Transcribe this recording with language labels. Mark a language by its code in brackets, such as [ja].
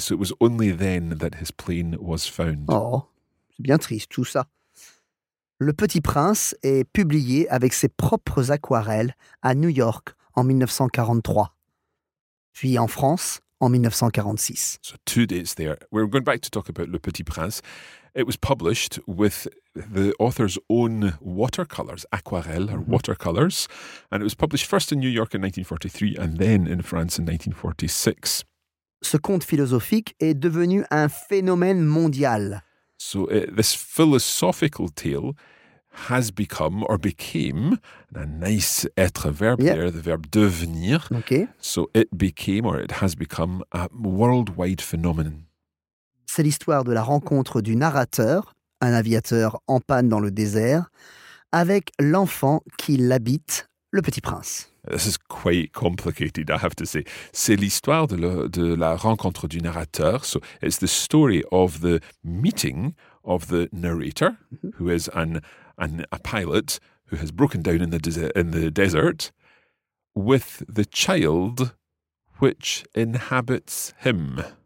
[en] So it was only then that his plane was found. [fr] Oh, c'est bien triste tout ça. Le Petit Prince est publié avec ses propres aquarelles à New York en 1943, puis en France en 1946. [en] So two dates there. We're going back to talk about Le Petit Prince. It was published with the author's own watercolors, aquarelle or watercolors, and it was published first in New York in 1943 and then in France in 1946. [fr] Ce conte philosophique est devenu un phénomène mondial. [en] So this philosophical tale has become or became, and a nice être verb there, the verb devenir. Okay. So it became or it has become a worldwide phenomenon. [fr] C'est l'histoire de la rencontre du narrateur, un aviateur en panne dans le désert, avec l'enfant qui l'habite, le petit prince. [en] This is quite complicated, I have to say. [fr] C'est l'histoire de la rencontre du narrateur. [en] So it's the story of the meeting of the narrator, who is a pilot who has broken down in the desert, with the child which inhabits him.